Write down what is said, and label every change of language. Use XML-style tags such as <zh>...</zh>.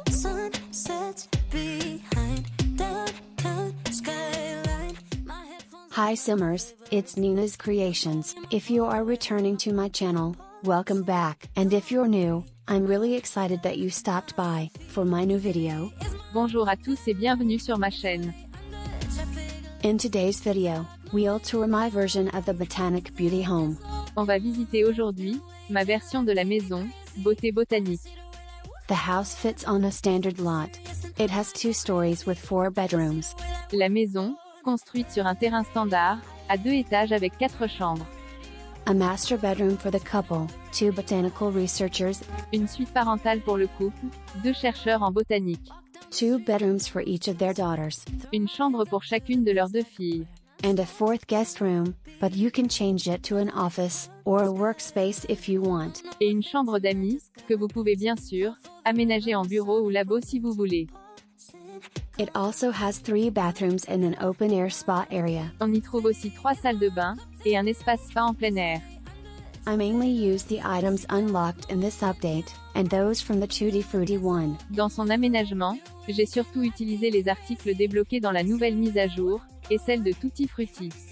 <en>Sun sets behind downtown skyline. My headphones. Hi Simmers, it's Nina's Creations. If you are returning to my channel, welcome back. And if you're new, I'm really excited that you stopped by for my new video.</en> <fr>Bonjour à tous et bienvenue sur ma chaîne.</fr> <en>In today's video, we'll tour my version of the Botanic Beauty home.</en> <fr>On va visiter aujourd'hui ma version de la maison Beauté Botanique.</fr> <en>The house fits on a standard lot. It has two stories with four bedrooms.</en> <fr>La maison, construite sur un terrain standard, a deux étages avec quatre chambres.</fr> <en>A master bedroom for the couple, two botanical researchers.</en> <fr>Une suite parentale pour le couple, deux chercheurs en botanique.</fr> <en>Two bedrooms for each of their daughters.</en> <fr>Une chambre pour chacune de leurs deux filles.</fr> <en>And a fourth guest room, but you can change it to an office or a workspace if you want.</en> <fr>Et une chambre d'amis, que vous pouvez bien sûr aménager en bureau ou labo si vous voulez.</fr> <en>It also has three bathrooms and an open air spa area.</en> <fr>On y trouve aussi trois salles de bain et un espace spa en plein air.</fr> <en>I mainly use the items unlocked in this update and those from the tutti frutti one.</en> <fr>Dans son aménagement, j'ai surtout utilisé les articles débloqués dans la nouvelle mise à jour et celle de tutti frutti.</fr>